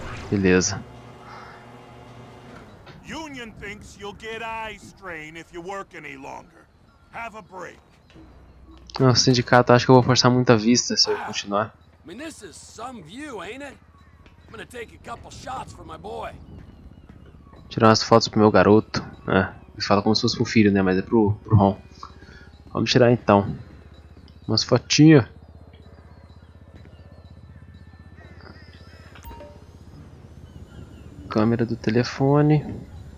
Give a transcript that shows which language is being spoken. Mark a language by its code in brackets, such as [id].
[pt] Beleza. [en] Union thinks you'll get eye strain if you work any longer. Have a break. [pt] O sindicato acha que eu vou forçar muita vista se eu continuar. [en] I mean, this is some view, ain't it? I'm gonna take a couple shots for my boy. [pt] Tirar umas fotos pro meu garoto. É, ele fala como se fosse pro filho, né? Mas é pro Ron. Vamos tirar então. Umas fotinhas. Câmera do telefone.